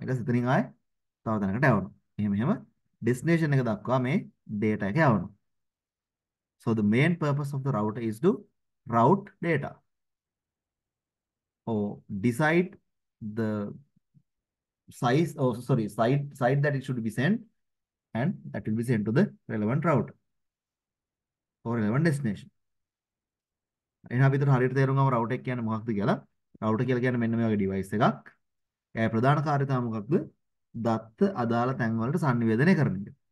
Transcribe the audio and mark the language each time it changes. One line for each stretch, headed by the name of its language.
Sinhala: ඊට පස්සේ එතනින් ආයෙ තව තැනකට යවනවා. එහෙම එහෙම destination එක දක්වා මේ data එක යවනවා.
English: So the main purpose of the router is to route data or decide the size or sorry site that it should be sent and that will be sent to the relevant router or relevant destination.
Sinhala: එහෙනම් අපි හිතුවා හරියට තේරුම් ගමු router එක කියන්නේ මොකක්ද කියලා. Router කියලා කියන්නේ මෙන්න මේ වගේ device එකක්. ඒ ප්‍රධාන කාර්යතාව මොකක්ද? දත්ත අදාළ තැන් වලට සන්නිවේදනය කරන එක.